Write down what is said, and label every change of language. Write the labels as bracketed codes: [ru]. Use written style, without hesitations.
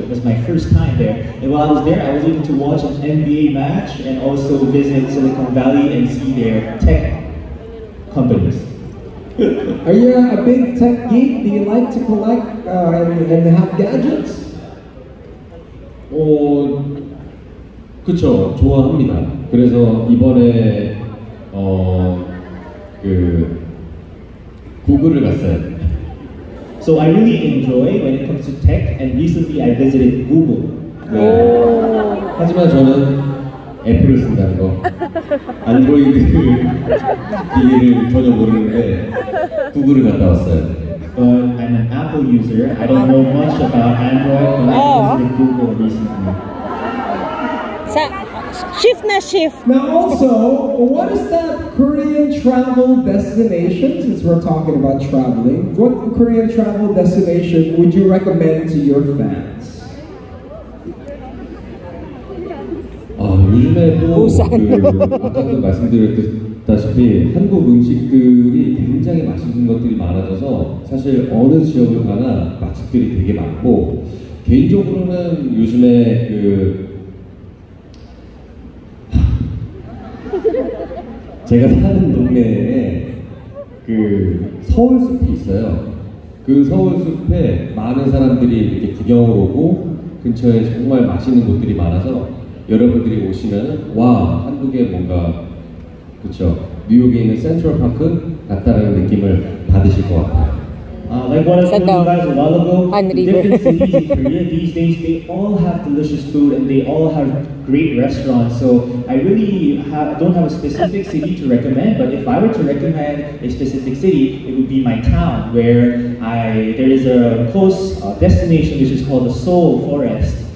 [en] It was my first time there. And while I was there, I was able to watch an NBA match and also visit Silicon Valley and see their tech companies. Are you a big tech geek? Do you like to collect and have gadgets? [ko] 어, 그쵸, 좋아합니다. 그래서 이번에, 어, 그, 구글을 갔어요. [en] So I really enjoy when it comes to tech, and recently I visited Google. [ko] 네. 하지만 저는 애플을 쓴다는 거. 안드로이드 기기를 전혀 모르는데, 구글을 갔다 왔어요. [en] But I'm an Apple user. I don't know much about Android, but I visited Google recently. Shift na shift. Now also, what is that Korean travel destination, since we're talking about traveling, what Korean travel destination would you recommend to your fans? Busan. [ko] 아까도 말씀드렸듯이 다시피 한국 음식들이 굉장히 맛있는 것들이 많아져서 사실 어느 지역을 가나 맛집들이 되게 많고 개인적으로는 요즘에 그 제가 사는 동네에 그 서울숲이 있어요. 그 서울숲에 많은 사람들이 이렇게 구경을 오고 근처에 정말 맛있는 곳들이 많아서 여러분들이 오시면 와 한국에 뭔가 그렇죠. 뉴욕에 있는 센트럴 파크 같다라는 느낌을 받으실 것 같아요. [en] Like what I told you guys a while ago, different cities in Korea these days, they all have delicious food and they all have great restaurants. So I really don't have a specific city to recommend, but if I were to recommend a specific city, it would be my town where there is a close destination which is called the Seoul Forest.